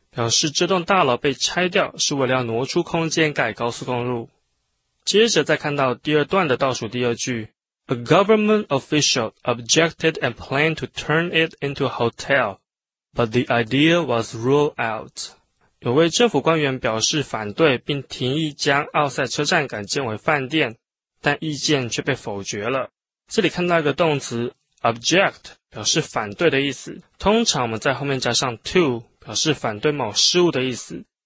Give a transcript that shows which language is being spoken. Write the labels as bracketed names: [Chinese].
[Chinese] 表示这栋大楼被拆掉是为了要挪出空间盖高速公路。接着再看到第二段的倒数第二句, [English] A government official objected and planned to turn it into a hotel, but the idea was ruled out. [Chinese] 有位政府官员表示反对并提议将奥赛车站改建为饭店，但意见却被否决了。这里看到一个动词 object 表示反对的意思，通常我们在后面加上 to 表示反对某事物的意思。